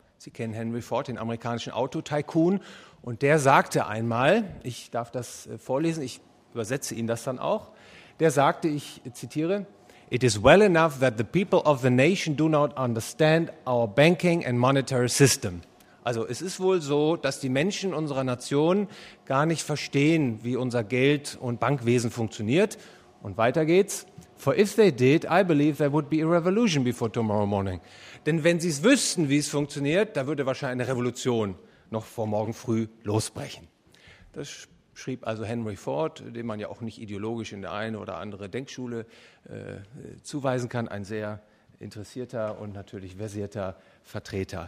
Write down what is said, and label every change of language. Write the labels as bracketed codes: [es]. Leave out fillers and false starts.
[de] Sie kennen Henry Ford, den amerikanischen Autotycoon. Und der sagte einmal, ich darf das vorlesen, ich übersetze Ihnen das dann auch, der sagte, ich zitiere: [en] It is well enough that the people of the nation do not understand our banking and monetary system. [de] Also es ist wohl so, dass die Menschen unserer Nation gar nicht verstehen, wie unser Geld- und Bankwesen funktioniert. Und weiter geht's. [en] For if they did, I believe there would be a revolution before tomorrow morning. [de] Denn wenn sie es wüssten, wie es funktioniert, da würde wahrscheinlich eine Revolution noch vor morgen früh losbrechen. Das schrieb also Henry Ford, den man ja auch nicht ideologisch in der eine oder andere Denkschule zuweisen kann, ein sehr interessierter und natürlich versierter Vertreter.